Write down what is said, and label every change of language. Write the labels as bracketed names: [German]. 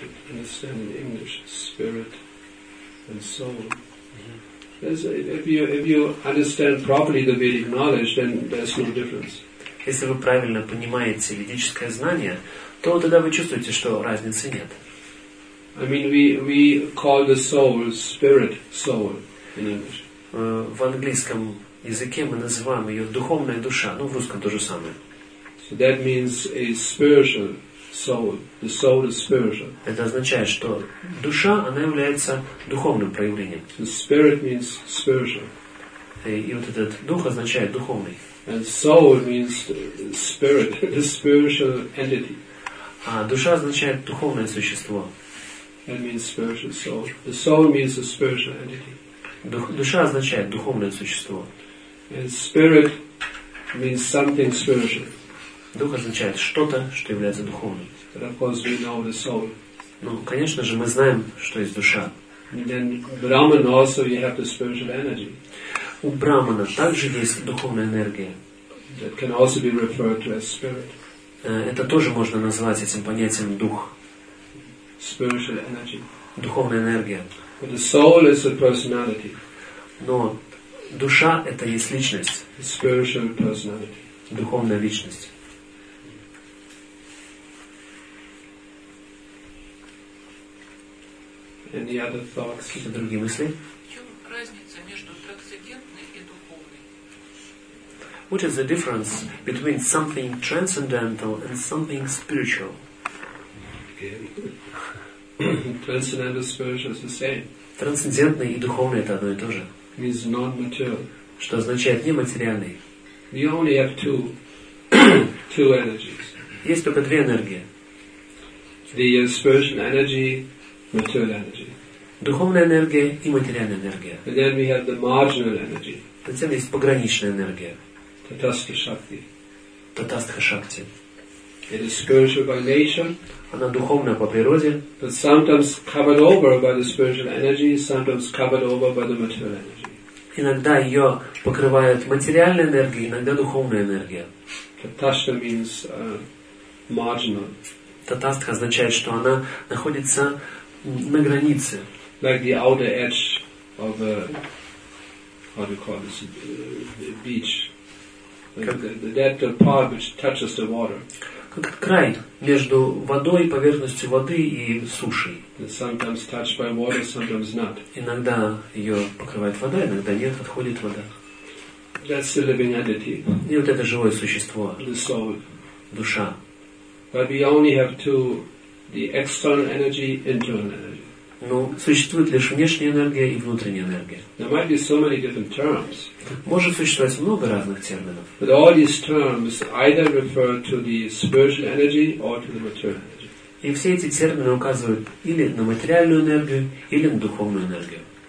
[English] Understand in English, spirit and soul. If you understand properly the Vedic knowledge, then there's no difference. [Russian] Если вы правильно понимаете ведическое знание, то тогда вы чувствуете, что разницы нет. [English] I mean, we call the soul spirit soul in English. [Russian] В английском языке мы называем ее духовная душа, в русском то же самое. [English] So that means a spiritual soul. The soul is spiritual. [Russian] Это означает, что душа, она является духовным проявлением. [English] The spirit means spiritual. [Russian] И вот этот дух означает духовный. [English] And soul means spirit, the spiritual entity. [Russian] А душа означает духовное существо. [English] That means spiritual soul. The soul means the spiritual entity. [Russian] Душа означает духовное существо. [English] And spirit means something spiritual. [Russian] Дух означает что-то, что является духовным. [English] But of course we know the soul. [Russian] Ну, конечно же, мы знаем, что есть душа. [English] And then Brahman also, you have the spiritual energy. [Russian] У Брахмана также есть духовная энергия. [English] That can also be referred to as spirit. [Russian] Это тоже можно назвать этим понятием дух. [English] Spiritual energy. [Russian] Духовная энергия. [English] But the soul is a personality. [Russian] Но душа — это есть личность. [English] Spiritual personality. [Russian] Духовная личность. [English] Any other thoughts? [Russian] Какие-то другие мысли? [English] What is the difference between something transcendental and something spiritual? Okay. Transcendental and spiritual is the same. [Russian] Трансцендентный и духовный — это одно и то же. [English] Means non-material. [Russian] Что означает нематериальный. [English] We only have two energies. [Russian] Есть только две энергии. [English] The spiritual energy, material energy. [Russian] духовная энергия и материальная энергия. [English] And then we have the marginal energy. [Russian] Затем есть пограничная энергия. Татастха шакти. Татастха шакти. [English] It is spiritual by nature. [Russian] Она духовная по природе. [English] But sometimes covered over by the spiritual energy, sometimes covered over by the material energy. [Russian] Иногда ее покрывает материальная энергия, иногда духовная энергия. [English] Татастха means marginal. [Russian] Татастха означает, что она находится на границе. [English] Like the outer edge of a, how do you call this, a beach. That part which touches the water. [Russian] Как край между водой, поверхностью воды и сушей. [English] Sometimes touched by water, sometimes not. [Russian] Иногда ее покрывает вода, иногда нет, отходит вода. [English] That's the living entity. [Russian] И вот это живое существо. [English] The soul. [Russian] Душа. [English] But we only have two, the external energy, internal energy. [Russian] Но существует лишь внешняя энергия и внутренняя энергия. [English] There might be so many different terms. [Russian] Может существовать много разных терминов. [English] But all these terms either refer to the spiritual energy or to the material energy. [Russian] И все эти термины указывают или на материальную энергию, или на духовную энергию.